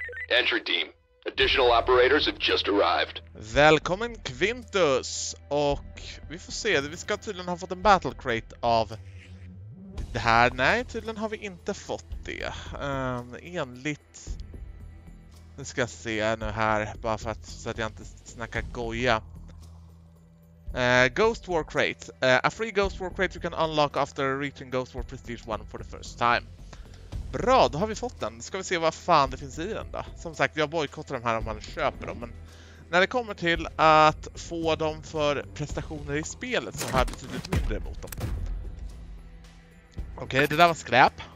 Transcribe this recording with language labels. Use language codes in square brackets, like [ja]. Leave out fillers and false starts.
[en] Entry team, additional operators have just arrived. [sv] Välkommen Quintus, och vi får se, vi ska tydligen ha fått en battle crate av det här. Nej, tydligen har vi inte fått det. Enligt, nu ska jag se nu här, bara för att, så att jag inte snackar goja. [en] Ghost War Crate. A free Ghost War Crate you can unlock after reaching Ghost War Prestige 1 for the first time. [sv] Bra, då har vi fått den. Ska vi se vad fan det finns i den då. Som sagt, jag boykottar dem här om man köper dem. Men när det kommer till att få dem för prestationer i spelet så har jag betydligt mindre emot dem. Okej, det där var skräp.